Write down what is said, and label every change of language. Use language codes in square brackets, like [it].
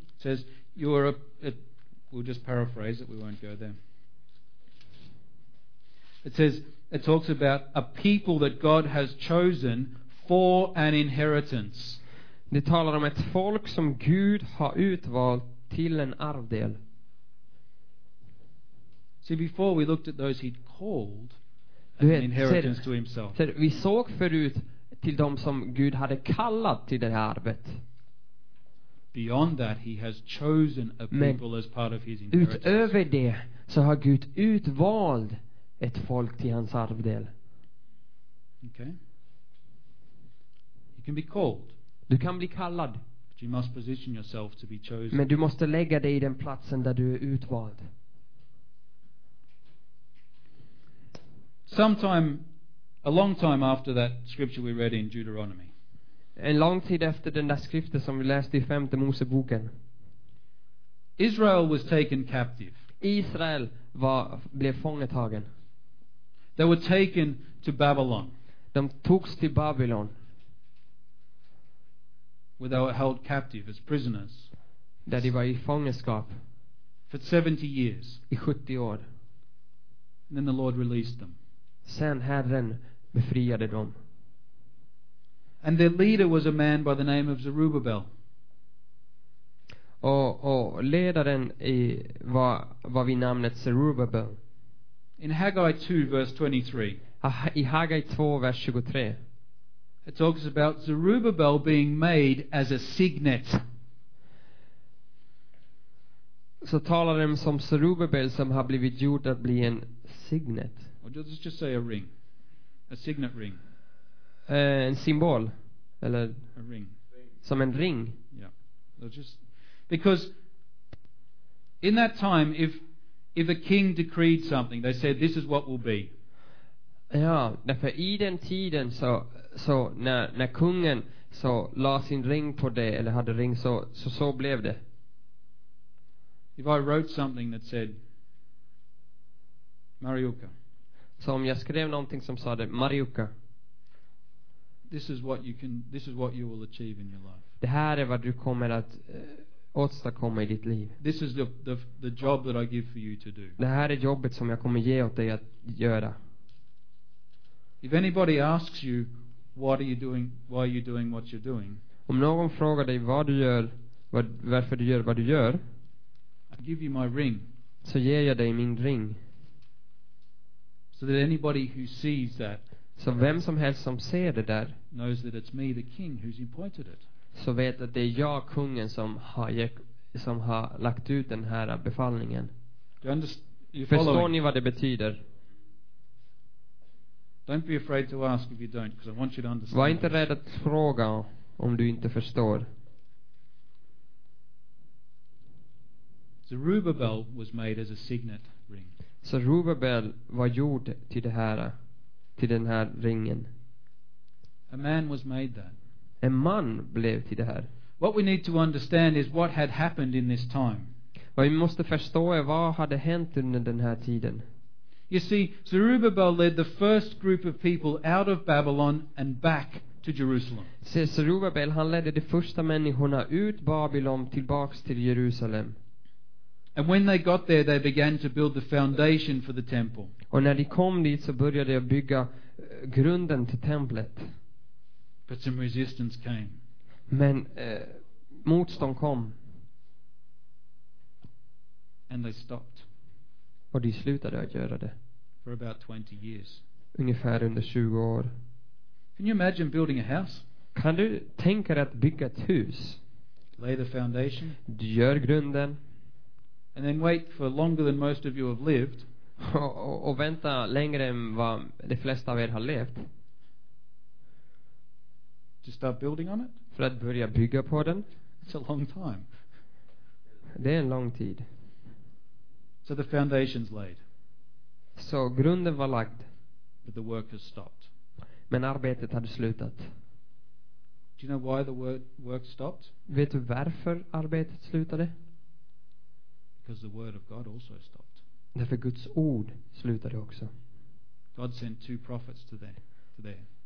[en] says you are we'll just paraphrase it, we won't go there. It talks about a people that God has chosen for an inheritance. [sv] Det talar om ett folk som Gud har utvalt till en arvdel. [en] See, before we looked at those he'd called an inheritance to himself. [sv] Vi såg förut till dem som Gud hade kallat till det här arvet. [en] Beyond that he has chosen a people as part of his inheritance. [sv] Utöver det så har Gud utvalt ett folk till hans arvdel. [en] Okay. You can be called. [sv] Du kan bli kallad. [en] But you must position yourself to be chosen. [sv] Men du måste lägga dig i den platsen där du är utvald. [en] Sometime, a long time after that scripture we read in Deuteronomy. [sv] En lång tid efter den där skriften som vi läste i femte Moseboken. [en] Israel was taken captive. [sv] Israel blev fångetagen. [en] They were taken to Babylon. [sv] De togs till Babylon. [en] where they were held captive as prisoners. [sv] Där de var i fångenskap. [en] For 70 years. [sv] I 70 år. [en] And then the Lord released them. [sv] Sen Herren befriade dem. [en] And their leader was a man by the name of Zerubbabel. [sv] Och ledaren var vid namnet Zerubbabel. [en] In Haggai 2 verse 23. [sv] I Haggai 2 vers 23. [en] It talks about Zerubbabel being made as a signet. [sv] Så talar de om Zerubbabel som har blivit gjort att bli en signet. [en] Or just say a ring. A signet ring. [sv] En symbol eller [en] a ring. [sv] Som en ring. [en] Yeah. Because in that time if a king decreed something, they said this is what will be. [sv] Ja, därför i den tiden så när kungen så la sin ring på det eller hade ring så blev det. [en] If I wrote something that said Mariuka. [sv] Så om jag skrev någonting som sa det Mariuka. [en] This is what you will achieve in your life. [sv] Det här är vad du kommer att åstadkomma i ditt liv. [en] This is the job that I give for you to do. [sv] Det här är jobbet som jag kommer ge åt dig att göra. [en] If anybody asks you what are you doing, why are you doing what you're doing? [sv] Om någon frågar dig vad du gör, varför du gör vad du gör? [en] I give you my ring. [sv] Så ger jag dig min ring. [en] So that anybody who sees that. [sv] Så vem som helst som ser det där. [en] Knows that it's me, the king, who's appointed it. [sv] Så vet att det är jag kungen som har lagt ut den här befallningen. Förstår ni vad det betyder? [en] Don't be afraid to ask if you don't, because I want you to understand. [sv] Var inte rädd att fråga om du inte förstår. [en] Zerubbabel was made as a signet ring. [sv] Zerubbabel var gjord till den här ringen. [en] A man was made that. [sv] En man blev till det här. [en] What we need to understand is what had happened in this time. [sv] Vad vi måste förstå är vad hade hänt under den här tiden. [en] You see, Zerubbabel led the first group of people out of Babylon and back to Jerusalem. [sv] Så Zerubbabel han ledde de första människorna ut Babylon tillbaks till Jerusalem. [en] And when they got there, they began to build the foundation for the temple. [sv] Och när de kom dit så började de bygga grunden till templet. [en] But some resistance came. [sv] Men motstånd kom. [en] And they stopped. [sv] Och de slutade att göra det. [en] For about 20 years. [sv] Ungefär under 20 år. [en] Can you imagine building a house? [sv] Kan du tänka dig att bygga ett hus? [en] Lay the foundation. [sv] Du gör grunden. [en] And then wait for longer than most of you have lived. [sv] Och vänta längre än vad de flesta av er har levt. [en] To start building on it? [sv] För att börja bygga på den. [en] It's a long time. [sv] Det är en lång tid. [en] So the foundation's laid. [sv] Så grunden var lagd. [en] But the work has stopped. [sv] Men arbetet hade slutat. [en] Do you know why the work stopped? [sv] Vet du varför arbetet slutade? [en] Because the word of God also stopped. [sv] Därför Guds ord slutade också. [en] God sent two prophets to there.